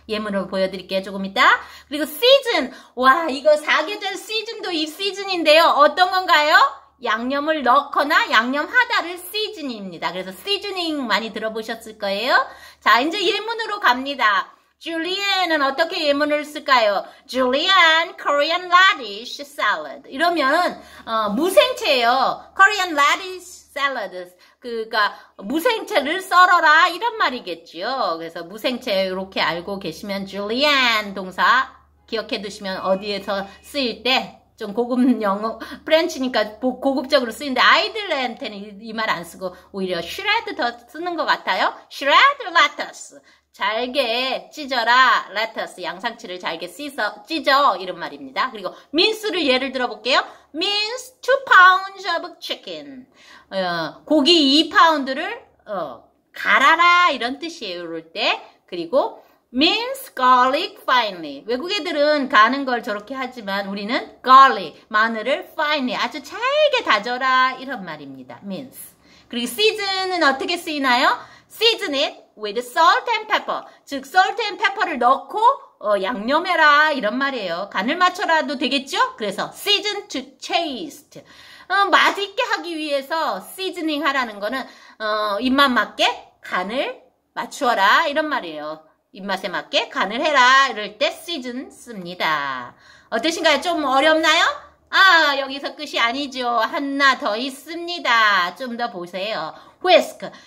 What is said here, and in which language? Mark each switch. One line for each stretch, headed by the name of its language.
Korean: 예문을 보여드릴게요, 조금 이따. 그리고 시즌. 와, 이거 사계절 시즌도 이 시즌인데요. 어떤 건가요? 양념을 넣거나 양념하다를 시즌입니다. 그래서 시즈닝 많이 들어보셨을 거예요. 자, 이제 예문으로 갑니다. 줄리엔은 어떻게 예문을 쓸까요?
English: 줄리엔, Korean radish salad. 이러면, 무생채예요. Korean radish salad.
Korean: 그니까, 무생채를 썰어라. 이런 말이겠죠. 그래서 무생채 이렇게 알고 계시면, 줄리엔 동사 기억해 두시면 어디에서 쓰일 때, 좀 고급 영어, 프렌치니까 고급적으로 쓰이는데, 아이들한테는 이 말 안 쓰고, 오히려 shred 더 쓰는 것 같아요.
English: shred lettuce.
Korean: 잘게 찢어라.
English: lettuce.
Korean: 양상추를 잘게 씻어, 찢어. 이런 말입니다. 그리고 민스를 예를 들어 볼게요.
English: mince 2 pounds of chicken.
Korean: 고기 2파운드를, 갈아라. 이런 뜻이에요. 이럴 때.
English: 그리고, mince garlic finely.
Korean: 외국 애들은 가는 걸 저렇게 하지만 우리는 garlic, 마늘을 finely, 아주 잘게 다져라. 이런 말입니다. mince. 그리고 season은 어떻게 쓰이나요?
English: season it with salt and pepper.
Korean: 즉, salt and pepper를 넣고, 양념해라. 이런 말이에요. 간을 맞춰라도 되겠죠?
English: 그래서 season to taste.
Korean: 맛있게 하기 위해서 seasoning 하라는 거는, 입맛 맞게 간을 맞추어라. 이런 말이에요. 입맛에 맞게 간을 해라. 이럴 때 시즌 씁니다. 어떠신가요? 좀 어렵나요? 아, 여기서 끝이 아니죠. 하나 더 있습니다. 좀 더 보세요. whisk.